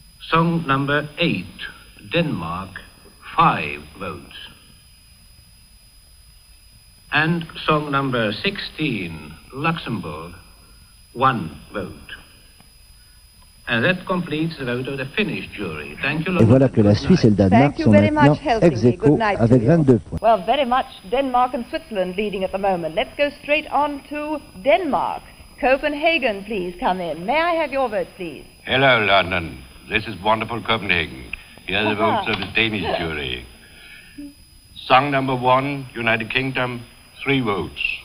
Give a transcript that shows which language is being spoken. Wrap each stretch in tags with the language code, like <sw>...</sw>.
<en>Song number 8, Denmark, 5 votes. And song number 16, Luxembourg, 1 vote. And that completes the vote of the Finnish jury. Thank you.</en> <fr>Et voilà que la Suisse et le Danemark sont maintenant ex aequo avec 22 points.</fr> <en>Well, very much Denmark and Switzerland leading at the moment. Let's go straight on to Denmark. Copenhagen, please come in. May I have your vote, please? Hello, London. This is wonderful Copenhagen. Here are the votes of the Danish jury. Song number 1, United Kingdom, 3 votes.</en>